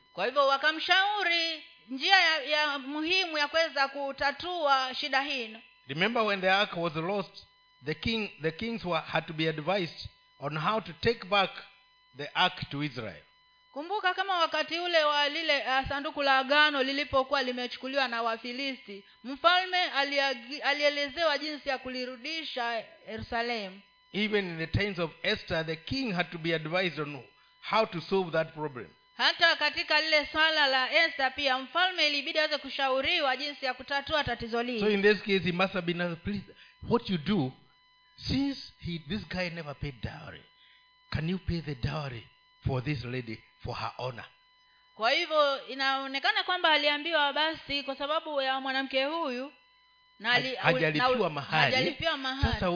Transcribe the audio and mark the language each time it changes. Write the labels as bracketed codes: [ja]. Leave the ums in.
[sw] kwa hivyo wakamshauri njia ya, ya muhimu ya kuweza kutatua shida hino [en] remember when the ark was lost the king the kings were, had to be advised on how to take back the ark to israel [sw] kumbuka kama wakati ule wa lile uh, sanduku la agano lilipokuwa limechukuliwa na wafilisti mfalme alielezewa jinsi ya kulirudisha yerusalemu [en] even in the times of esther the king had to be advised on how to solve that problem [sw] hata katika lile swala la esther pia mfalme ilibidi aweze kushauriwa jinsi ya kutatua tatizo [en] so in this case he must have been asked, what you do since he, this guy never paid dowry can you pay the dowry for this lady for her honor. [sw] kwa hivyo inaonekana kwamba aliambiwa basi kwa sababu ya mwanamke huyu na hajalipiwa mahali sasa hajali